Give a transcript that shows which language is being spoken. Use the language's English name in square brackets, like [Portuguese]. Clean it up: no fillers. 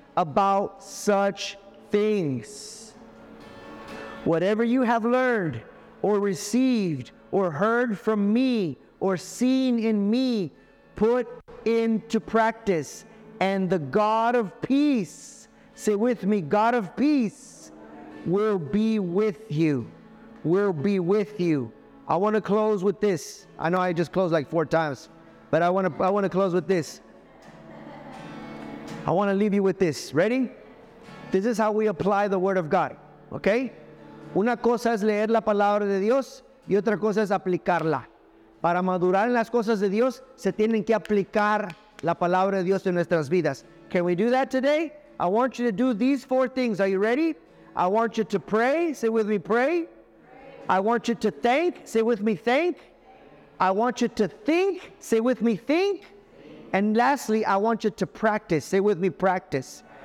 [English] about such things. Whatever you have learned or received or heard from me or seen in me, put into practice, and the God of peace, say with me, God of peace will be with you, will be with you. I want to close with this. I know I just closed like four times, but I want to close with this. I want to leave you with this. Ready? This is how we apply the word of God. Okay? [Spanish] Una cosa es leer la palabra de Dios y otra cosa es aplicarla. Para madurar en las cosas de Dios, se tienen que aplicar la palabra de Dios en nuestras vidas. [English] Can we do that today? I want you to do these four things. Are you ready? I want you to pray. Say with me, pray. I want you to thank. Say with me, thank. I want you to think. Say with me, think. And lastly, I want you to practice. Say with me, practice.